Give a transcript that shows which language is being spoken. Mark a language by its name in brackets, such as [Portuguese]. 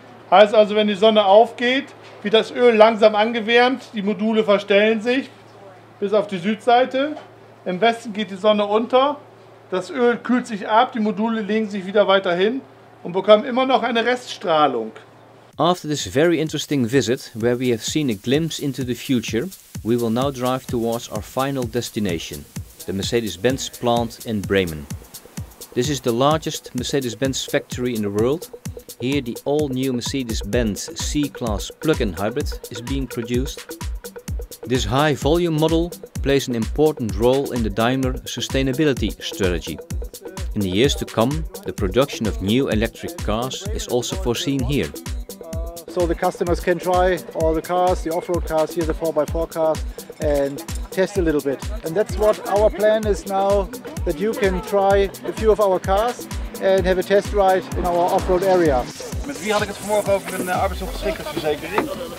[German] Heißt also, wenn die Sonne aufgeht, wird das Öl langsam angewärmt, die Module verstellen sich bis auf die Südseite. Im Westen geht die Sonne unter, das Öl kühlt sich ab, die Module legen sich wieder weiter hin und bekommen immer noch eine Reststrahlung. [English] After this very interesting visit, where we have seen a glimpse into the future, we will now drive towards our final destination, the Mercedes-Benz plant in Bremen. This is the largest Mercedes-Benz factory in the world. Here the all-new Mercedes-Benz C-Class plug-in hybrid is being produced. This high-volume model plays an important role in the Daimler sustainability strategy. In the years to come, the production of new electric cars is also foreseen here. So the customers can try all the cars, the off-road cars, here the 4x4 cars, and test a little bit. And that's what our plan is now, that you can try a few of our cars and have a test ride in our off-road area. [Dutch] Met wie had ik het vanmorgen over een arbeidsongeschiktheidsverzekering?